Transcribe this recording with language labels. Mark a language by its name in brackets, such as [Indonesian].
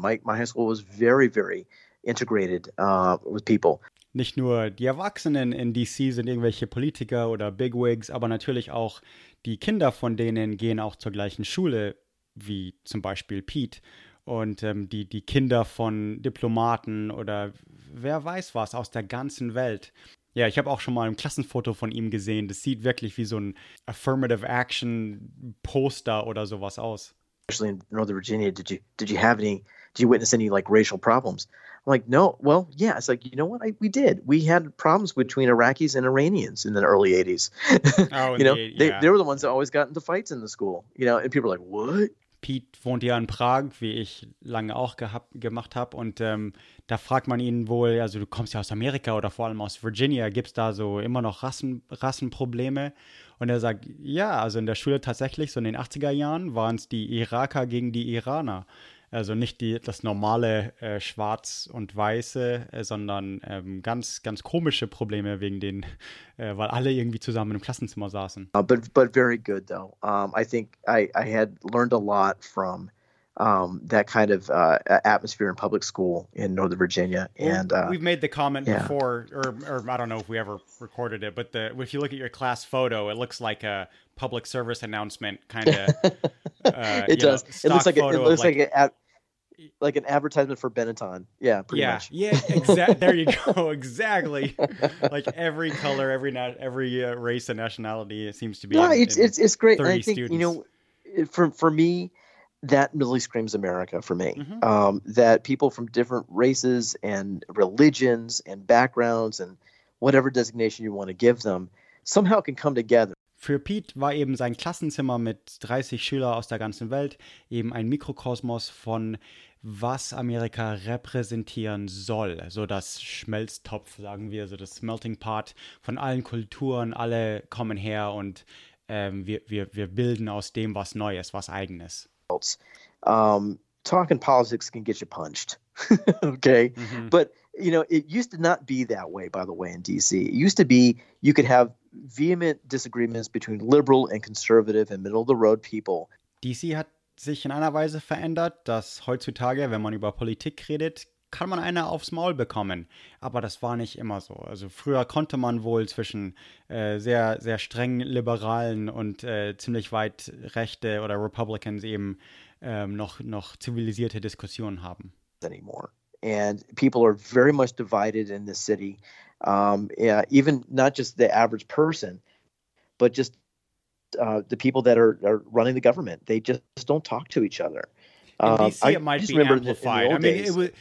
[English] My high school was very, very integrated with people. [German] Nicht nur die Erwachsenen in D.C. sind irgendwelche Politiker oder Bigwigs, aber natürlich auch die Kinder von denen gehen auch zur gleichen Schule, wie zum Beispiel Pete. Und die Kinder von Diplomaten oder wer weiß was aus der ganzen Welt. Ja, ich habe auch schon mal ein Klassenfoto von ihm gesehen. Das sieht wirklich wie so ein Affirmative Action Poster oder sowas aus. [English] Especially in Northern Virginia, did you have any, did you witness any like racial problems? I'm like, no, well, yeah. It's like, you know what? We did. We had problems between Iraqis and Iranians in the early 80s. They were the ones that always got into fights in the school, you know, and people are like, what? [German] Pete wohnt ja in Prag, wie ich lange auch gemacht habe. Und da fragt man ihn wohl, also du kommst ja aus Amerika oder vor allem aus Virginia, gibt es da so immer noch Rassenprobleme? Und er sagt, ja, also in der Schule tatsächlich, so in den 80er Jahren, waren es die Iraker gegen die Iraner. Also nicht das normale Schwarz und Weiße, sondern ganz, ganz komische Probleme wegen denen, weil alle irgendwie zusammen im Klassenzimmer saßen. [English] But very good though. I think I had learned a lot from that kind of atmosphere in public school in Northern Virginia. And we've made the comment before, or I don't know if we ever recorded it, but if you look at your class photo, it looks like a public service announcement kind of. It does. It looks like an advertisement for Benetton. Yeah, pretty much. Yeah, exactly. There you go. Exactly. Like every color, every race and nationality seems to be. No, it's great. And I think, students. You know, for me, that really screams America for me. Mm-hmm. That people from different races and religions and backgrounds and whatever designation you want to give them somehow can come together. [German] Für Pete war eben sein Klassenzimmer mit 30 Schülern aus der ganzen Welt eben ein Mikrokosmos von, was Amerika repräsentieren soll. So das Schmelztopf, sagen wir, so das Melting Pot von allen Kulturen, alle kommen her und wir bilden aus dem was Neues, was Eigenes. [English] Talking politics can get you punched, okay? Mm-hmm. But, you know, it used to not be that way, by the way, in D.C. It used to be you could have vehement disagreements between liberal and conservative and middle-of-the-road people. [German] D.C. hat sich in einer Weise verändert, dass heutzutage, wenn man über Politik redet, kann man eine aufs Maul bekommen. Aber das war nicht immer so. Also früher konnte man wohl zwischen sehr, sehr strengen Liberalen und ziemlich weit Rechte oder Republicans eben noch zivilisierte Diskussionen haben. [English] Anymore. And people are very much divided in this city. Even not just the average person, but just the people that are running the government. They just don't talk to each other. In D.C. it might be amplified.